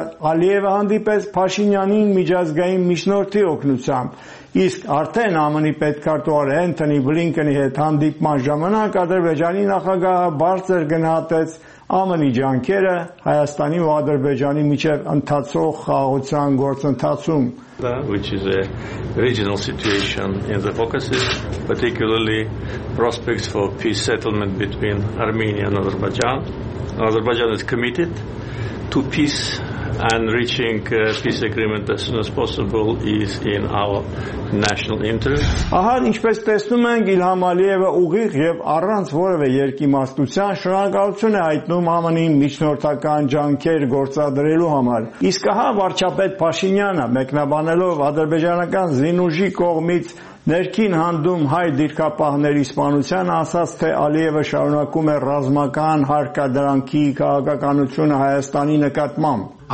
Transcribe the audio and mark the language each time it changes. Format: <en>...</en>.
<hy>Ալիևը հանդիպեց Փաշինյանին միջազգային միջնորդի օգնությամբ, իսկ արդեն ԱՄՆ-ի պետքարտուղար Էնթոնի Բլինքենի հետ հանդիպման ժամանակ Ադրբեջանի նախագահը բարձր գնահատեց ԱՄՆ-ի ջանքերը Հայաստանի ու Ադրբեջանի միջև ընթացող խաղաղության գործընթացում,</hy> <en>which is a regional situation in the focus, particularly prospects for peace settlement between Armenia and Azerbaijan. Azerbaijan is committed to peace and reaching a peace agreement as soon as possible is in our national interest.</en> <hy>Ահա ինչպես տեսնում ենք, Իլհամ Ալիևը ուղիղ եւ առանց որևէ երկիմաստության շնորհակալություն է հայտնում ԱՄՆ-ին միջնորդական ջանքեր գործադրելու համար։ Իսկ ահա վարչապետ Փաշինյանը, մեկնաբանելով ադրբեջանական զինուժի կողմից ներքին հանդում հայ դիրքապահների սպանության, ասաց, թե Ալիևը շարունակում է ռազմական հարկադրանքի քաղաքականությունը Հայաստանի նկատմամբ։</hy>